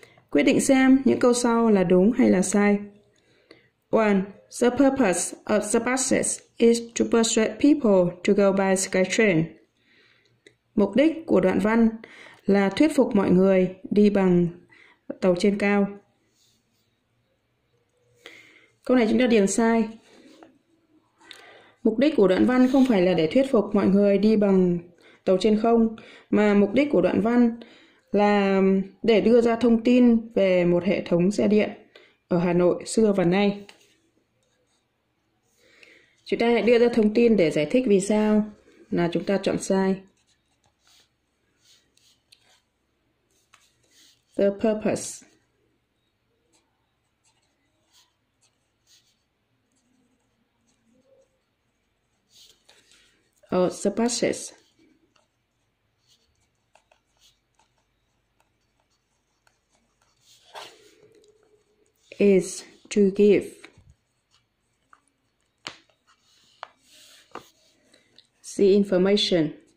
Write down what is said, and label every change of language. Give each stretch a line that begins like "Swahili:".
Vietnamese: Quyết định xem những câu sau là đúng hay là sai.
English: One, the purpose of the buses is to persuade people to go by SkyTrain.
Vietnamese: Mục đích của đoạn văn là thuyết phục mọi người đi bằng tàu trên cao. Câu này chúng ta điền sai. Mục đích của đoạn văn không phải là để thuyết phục mọi người đi bằng tàu trên không, mà mục đích của đoạn văn là để đưa ra thông tin về một hệ thống xe điện ở Hà Nội xưa và nay. Chúng ta hãy đưa ra thông tin để giải thích vì sao là chúng ta chọn sai.
English: The purpose of the buses is to give the information